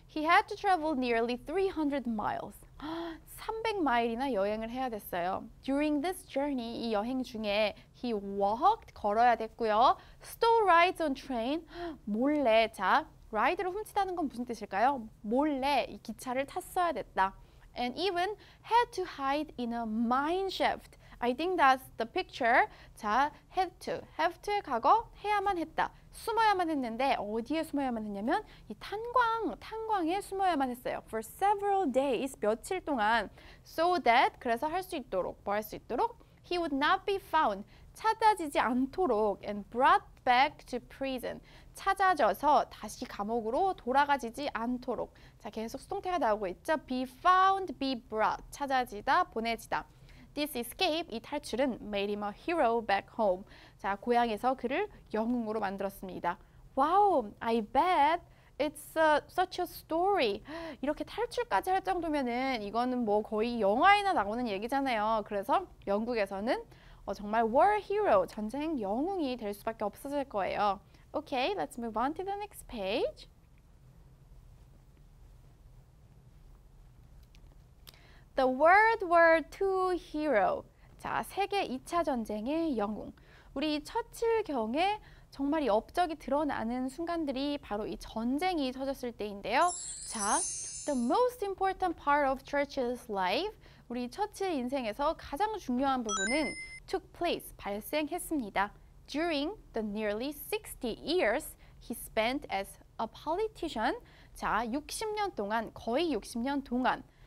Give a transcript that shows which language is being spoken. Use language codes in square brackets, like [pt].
[en] He had to travel nearly 300 miles. [ko] 300마일이나 여행을 해야 됐어요. [en] During this journey, [ko] 이 여행 중에 [en] he walked, [ko] 걸어야 됐고요. [en] Stole rides on train, [ko] 몰래, 자, 라이드를 훔치다는 건 무슨 뜻일까요? 몰래 이 기차를 탔어야 됐다. [en] And even had to hide in a mine shaft. I think that's the picture. 자, had to. Have to의 과거, [ko] 해야만 했다. 숨어야만 했는데 어디에 숨어야만 했냐면 이 탄광에 숨어야만 했어요. [en] For several days, [ko] 며칠 동안. [en] So that, [ko] 그래서 할 수 있도록, 뭐 할 수 있도록. [en] He would not be found. [ko] 찾아지지 않도록. [en] And brought back to prison. [ko] 찾아져서 다시 감옥으로 돌아가지지 않도록. 자, 계속 수동태가 나오고 있죠. [en] Be found, be brought. [ko] 찾아지다, 보내지다. [en] This escape, [ko] 이 탈출은 [en] made him a hero back home. [ko] 자, 고향에서 그를 영웅으로 만들었습니다. [en] Wow, I bet it's such a story. [ko] 이렇게 탈출까지 할 정도면은 이거는 뭐 거의 영화에나 나오는 얘기잖아요. 그래서 영국에서는 정말 [en] war hero, [ko] 전쟁 영웅이 될 수밖에 없어질 거예요. [en] Okay, let's move on to the next page. The World War II hero. [ko] 자, 세계 2차 전쟁의 영웅. 우리 처칠경에 정말 이 업적이 드러나는 순간들이 바로 이 전쟁이 터졌을 때인데요. [en] 자, the most important part of Churchill's life. [ko] 우리 처칠 인생에서 가장 중요한 부분은 [en] took place, [ko] 발생했습니다. [en] During the nearly 60 years he spent as a politician. [ko] 자, 60년 동안, 거의 60년 동안.